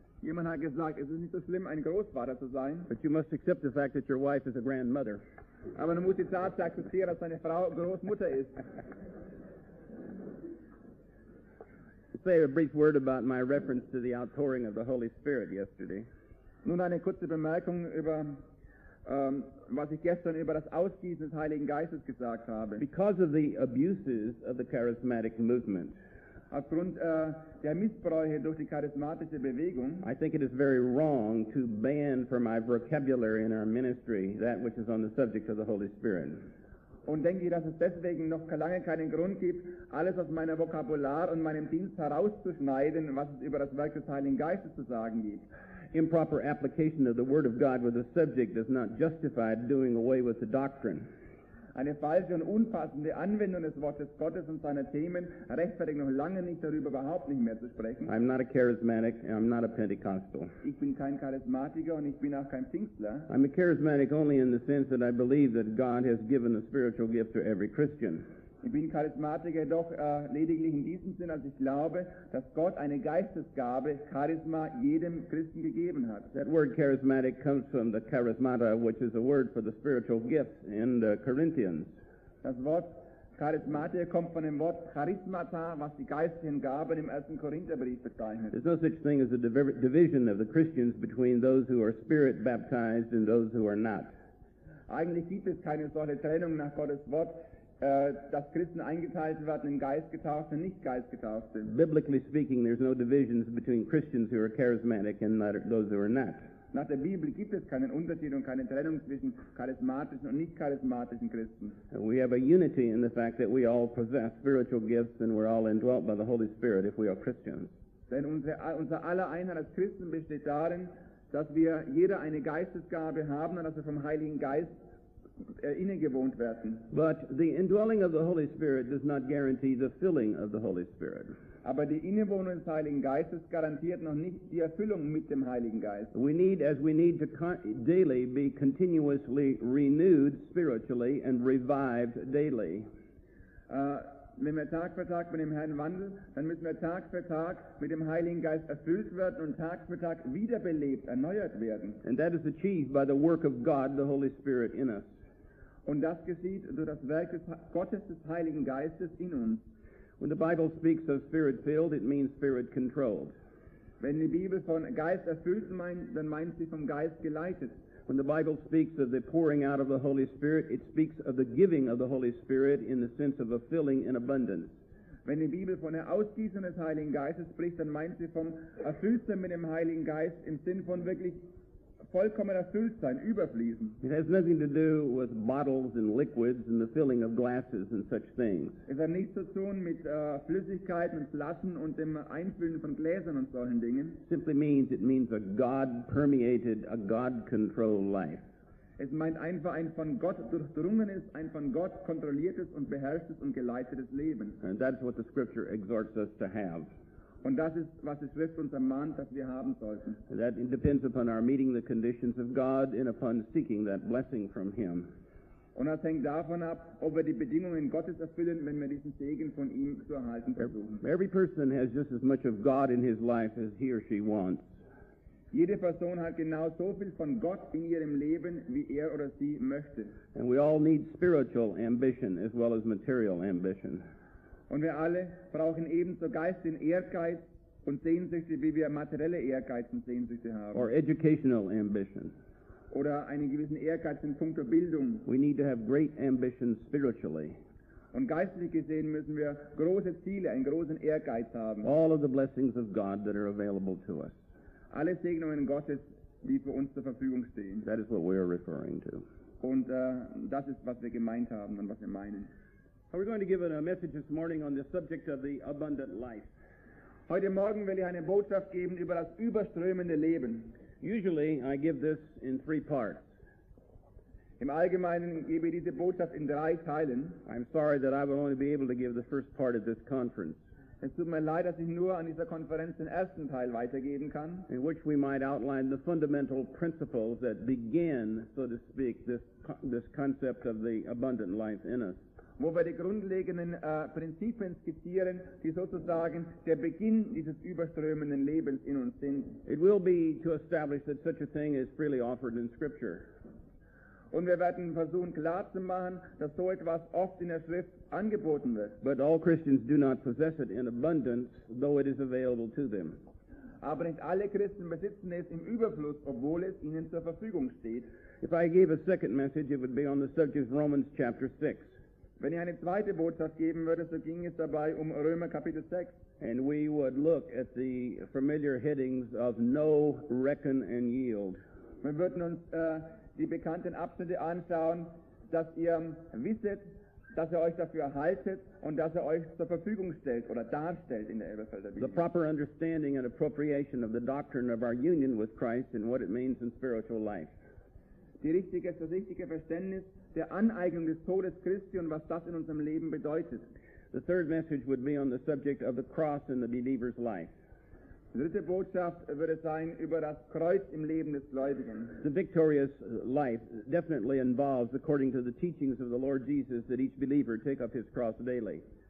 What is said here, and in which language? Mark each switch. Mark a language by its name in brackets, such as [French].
[German] Jemand hat gesagt, es ist nicht so schlimm, ein Großvater zu sein. [English] But you must accept the fact that your wife is a grandmother. [German] Aber man muss die Tatsache akzeptieren, dass seine Frau Großmutter ist. [English] Say a brief word about my reference to the outpouring of the Holy Spirit yesterday. [German] Nun eine kurze Bemerkung über was ich gestern über das Ausgießen des Heiligen Geistes gesagt habe. [English] Because of the abuses of the charismatic movement. [German] Aufgrund der Missbräuche durch die charismatische Bewegung. [English] I think it is very wrong to ban from my vocabulary in our ministry that which is on the subject of the Holy Spirit. [German] Und denke ich, dass es deswegen noch lange keinen Grund gibt, alles aus meinem Vokabular und meinem Dienst herauszuschneiden, was es über das Werk des Heiligen Geistes zu sagen gibt. [English] Improper application of the Word of God with a subject does not justify doing away with the doctrine. [German] Eine falsche und unpassende Anwendung des Wortes Gottes und seiner Themen rechtfertigt noch lange nicht darüber, überhaupt nicht mehr zu sprechen. [English] I'm not a charismatic and I'm not a Pentecostal. [German] Ich bin kein Charismatiker und ich bin auch kein Pfingstler. [English] I'm a charismatic only in the sense that I believe that God has given a spiritual gift to every Christian. [German] Ich bin Charismatiker doch lediglich in diesem Sinn, als ich glaube, dass Gott eine Geistesgabe, Charisma, jedem Christen gegeben hat. [English] That word charismatic comes from the charismata, which is a word for the spiritual gifts in the Corinthians. [German] Das Wort Charismatia kommt von dem Wort Charismata, was die geistigen Gaben im 1. Korintherbrief bezeichnet. [English] There's no such thing as a division of the Christians between those who are spirit baptized and those who are not. [German] Eigentlich gibt es keine solche Trennung nach Gottes Wort, dass Christen eingeteilt werden in Geistgetaufte und nicht Geistgetaufte. [English] Biblically speaking, there's no divisions between Christians who are charismatic and those who are not. [German] Nach der Bibel gibt es keinen Unterschied und keine Trennung zwischen charismatischen und nicht charismatischen Christen. [English] We have a unity in the fact that we all possess spiritual gifts and we're all indwelt by the Holy Spirit if we are Christians. [German] Denn unser aller Einheit als Christen besteht darin, dass wir jeder eine Geistesgabe haben und dass wir vom Heiligen Geist innegewohnt werden. [English] But the indwelling of the Holy Spirit does not guarantee the filling of the Holy Spirit. [German] Aber die Innewohnung des Heiligen Geistes garantiert noch nicht die Erfüllung mit dem Heiligen Geist. [English] We need to daily be continuously renewed spiritually and revived daily. [German] Wenn wir Tag für Tag mit dem Herrn wandeln, dann müssen wir Tag für Tag mit dem Heiligen Geist erfüllt werden und Tag für Tag wiederbelebt, erneuert werden. [English] And that is achieved by the work of God, the Holy Spirit in us. [German] Und das geschieht durch das Werk des Heiligen Geistes in uns. [English] When the Bible speaks of spirit-filled, it means spirit-controlled. [German] Wenn die Bibel von Geist erfüllt meint, dann meint sie vom Geist geleitet. [English] When the Bible speaks of the pouring out of the Holy Spirit, it speaks of the giving of the Holy Spirit in the sense of a filling in abundance. [German] Wenn die Bibel von der Ausgießung des Heiligen Geistes spricht, dann meint sie vom Erfüllsein mit dem Heiligen Geist im Sinn von wirklich vollkommen erfüllt sein, überfließen. [English] It has nothing to do with bottles and liquids and the filling of glasses and such things. [German] Es hat nichts zu tun mit Flüssigkeiten und Flaschen und dem Einfüllen von Gläsern und solchen Dingen. [English] Simply means it means a God-permeated, a God-controlled life. [German] Es meint einfach ein von Gott durchdrungenes, ein von Gott kontrolliertes und beherrschtes und geleitetes Leben. [English] And that's what the scripture exhorts us to have. [German] Und das ist, was die Schrift uns ermahnt, dass wir haben sollten. [English] That depends upon our meeting the conditions of God and upon seeking that blessing from Him. [German] Und das hängt davon ab, ob wir die Bedingungen Gottes erfüllen, wenn wir diesen Segen von ihm zu erhalten versuchen. [English] Every person has just as much of God in his life as he or she wants. [German] Jede Person hat genau so viel von Gott in ihrem Leben, wie er oder sie möchte. [English] And we all need spiritual ambition as well as material ambition. [German] Und wir alle brauchen ebenso geistigen Ehrgeiz und Sehnsüchte, wie wir materielle Ehrgeiz und Sehnsüchte haben. [English] Or educational ambition. [German] Oder einen gewissen Ehrgeiz in puncto Bildung. [English] We need to have great ambition spiritually. [German] Und geistlich gesehen müssen wir große Ziele, einen großen Ehrgeiz haben. [English] All of the blessings of God that are available to us. [German] Alle Segnungen Gottes, die für uns zur Verfügung stehen. [English] That is what we are referring to. [German] Und das ist, was wir gemeint haben und was wir meinen. [English] We're going to give a message this morning on the subject of the abundant life. [German] Heute Morgen will ich eine Botschaft geben über das überströmende Leben. [English] Usually I give this in three parts. [German] Im Allgemeinen gebe ich diese Botschaft in drei Teilen. [English] I'm sorry that I will only be able to give the first part of this conference. [German] Es tut mir leid, dass ich nur an dieser Konferenz den ersten Teil weitergeben kann. [English] In which we might outline the fundamental principles that begin, so to speak, this concept of the abundant life in us. [German] Wo wir die grundlegenden Prinzipien skizzieren, die sozusagen der Beginn dieses überströmenden Lebens in uns sind. [English] It will be to establish that such a thing is freely offered in Scripture. [German] Und wir werden versuchen klarzumachen, dass so etwas oft in der Schrift angeboten wird. [English] But all Christians do not possess it in abundance, though it is available to them. [German] Aber nicht alle Christen besitzen es im Überfluss, obwohl es ihnen zur Verfügung steht. [English] If I gave a second message, it would be on the subject of Romans chapter 6. [German] Wenn ich eine zweite Botschaft geben würde, so ging es dabei um Römer Kapitel 6. [English] And we would look at the familiar headings of no reckon and yield. [German] Wir würden uns die bekannten Abschnitte anschauen, dass ihr wisset, dass ihr euch dafür haltet und dass ihr euch zur Verfügung stellt oder darstellt in der Elberfelder Bibel. [English] The proper understanding and appropriation of the doctrine of our union with Christ and what it means in spiritual life. [German] Das richtige Verständnis der Aneignung des Todes Christi und was das in unserem Leben bedeutet. [English] The third message would be on the subject of the cross in the believer's life. [German] Die dritte Botschaft würde sein über das Kreuz im Leben des Gläubigen. [English] The victorious life definitely involves, according to the teachings of the Lord Jesus, that each believer take up his cross daily.